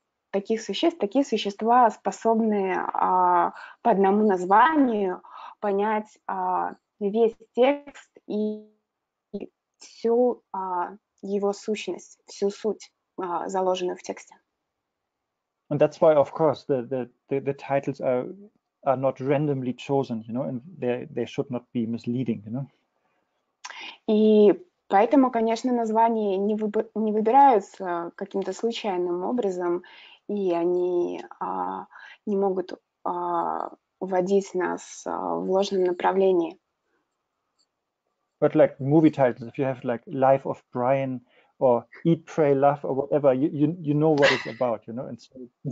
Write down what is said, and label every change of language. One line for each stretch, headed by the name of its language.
Russian: таких существа способны по одному названию понять весь текст и всю его сущность, всю суть, заложенную в тексте.
English: And that's why, of course, the titles are not randomly chosen, you know, and they should not be misleading, you know.
Russian: И поэтому, конечно, названия не выбираются каким-то случайным образом, и они не могут уводить нас в ложном направлении.
English: But like movie titles, if you have like Life of Brian or Eat, Pray, Love or whatever, you know what it's about, you know, and so.